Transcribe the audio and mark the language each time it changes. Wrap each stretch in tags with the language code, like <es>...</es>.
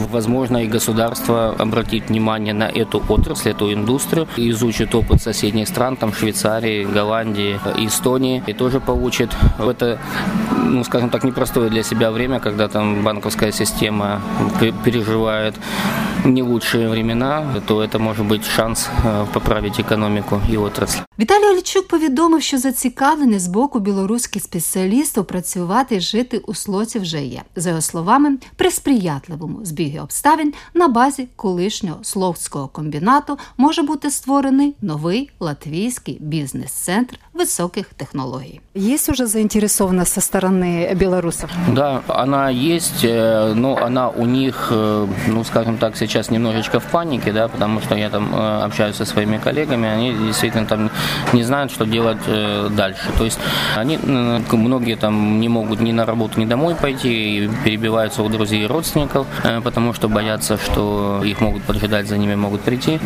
<ru>Возможно, и государство обратит внимание на эту отрасль, эту индустрию, изучит опыт соседних стран, там Швейцарии, Голландии, Эстонии, и тоже получит в это, ну, скажем так, непростое для себя время, когда там банковская система переживает не лучшие времена, то это может быть шанс поправить экономику і отрасль.</ru> <uk>Віталій Олійчук повідомив, що зацікавлені з боку білоруських спеціалістів працювати і жити у Слоці вже є. За його словами, при сприятливому збігі обставин на базі колишнього Словцького комбінату може бути створений новий латвійський бізнес-центр високих технологій. Є вже заінтересована зі сторони білорусів?</uk> <ru>Да,</ru> <uk>вона є, ну, вона у них, ну, скажімо так,</uk> <ru>сейчас немножечко в панике, да, потому что я там общаюсь со своими коллегами, они действительно там не знают, что делать дальше. То есть они, многие там не могут ни на работу, ни домой пойти, и перебиваются у друзей и родственников, потому что боятся, что их могут поджидать, за ними могут прийти.</ru>